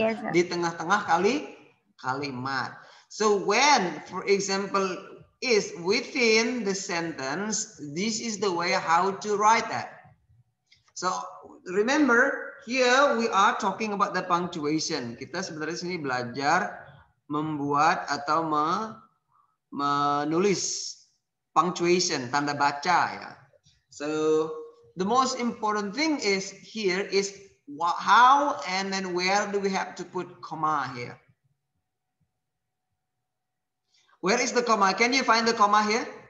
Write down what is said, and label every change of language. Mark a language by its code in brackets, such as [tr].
[en] yes, [id] di tengah-tengah kalimat. [en] So when, for example, is within the sentence, this is the way how to write that. So remember, here we are talking about the punctuation. [id] Kita sebenarnya sini belajar membuat atau menulis punctuation, tanda baca ya. [en] So the most important thing is here is how and then where do we have to put comma here? Where is the comma? Can you find the comma here?